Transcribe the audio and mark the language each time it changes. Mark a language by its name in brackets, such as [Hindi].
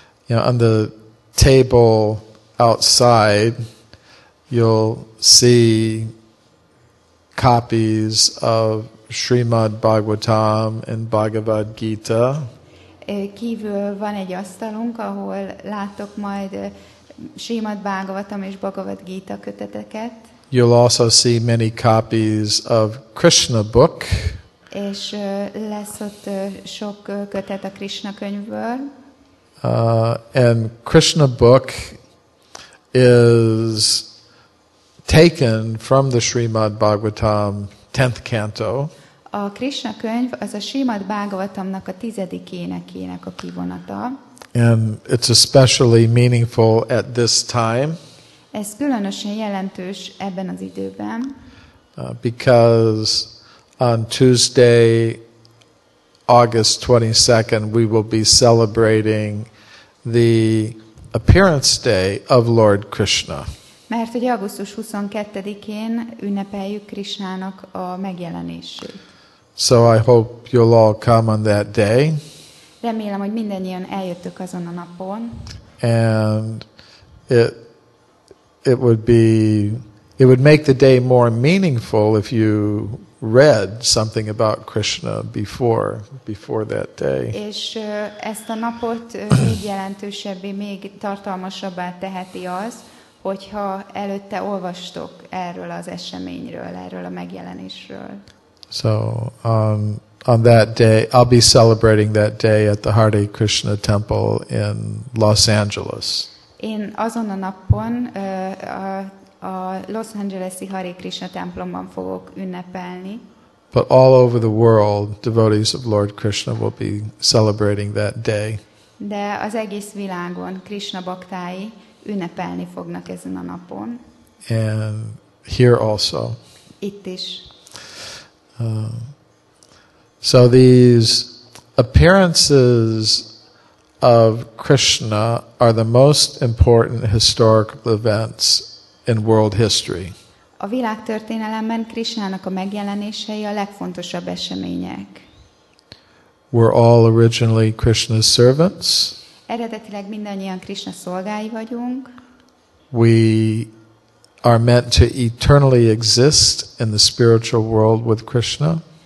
[English] On the table outside, you'll see copies of Srimad Bhagavatam and Bhagavad Gita. [Hungarian] Kívül van egy asztalunk, ahol látok majd Srimad Bhagavatam és Bhagavad Gita köteteket. [English] You'll also see many copies of Krishna book. [Hungarian] És lesz ott sok kötet a Krishna könyvből. [English] And Krishna book is taken from the Srimad Bhagavatam 10th canto. [Hungarian] A Krishna könyv az a Srimad Bhagavatamnak a tizedik énekének a kivonata. [English] And it's especially meaningful at this time. [Hungarian] Ez különösen jelentős ebben az időben. [English] Because on Tuesday, August 22nd, we will be celebrating the appearance day of Lord Krishna. [Hungarian] Mert hogy augusztus 22-én ünnepeljük Krishnának a megjelenését. [English] So I hope you'll all come on that day. [Hungarian] Remélem, hogy mindannyian eljöttök azon a napon. [English] And it would make the day more meaningful if you read something about Krishna before that day. [Hungarian] És ezt a napot még jelentősebbé, még tartalmasabbá teheti az, hogyha előtte olvastok erről az eseményről, erről a megjelenésről. [English] So on that day, I'll be celebrating that day at the Hare Krishna Temple in Los Angeles. [Hungarian] Én azon a napon a Los Angeles-i Hare Krishna templomban fogok ünnepelni. [English] But all over the world, devotees of Lord Krishna will be celebrating that day. [Hungarian] De az egész világon Krishna baktái ünnepelni fognak ezen a napon. [English] And here also. [Hungarian] Itt is. [English] So these appearances of Krishna are the most important historical events in world history. [Hungarian] A világtörténelemben Krishnának a megjelenései a legfontosabb események. [English] We're all originally Krishna's servants. [Hungarian] Eredetileg mindannyian Krishna szolgái vagyunk. [English] We are meant to eternally exist in the spiritual world with Krishna.